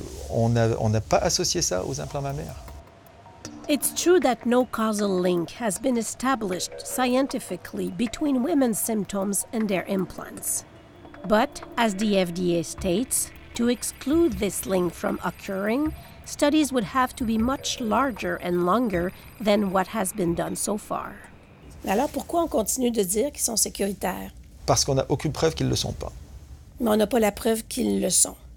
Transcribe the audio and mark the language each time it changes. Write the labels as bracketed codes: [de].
[fr] On n'a pas associé ça aux implants mammaires. [en] It's true that no causal link has been established scientifically between women's symptoms and their implants. But as the FDA states, to exclude this link from occurring, studies would have to be much larger and longer than what has been done so far. [fr] Alors pourquoi on continue de dire qu'ils sont sécuritaires? Parce qu'on n'a aucune preuve qu'ils le sont pas. Mais on n'a pas la preuve qu'ils le sont.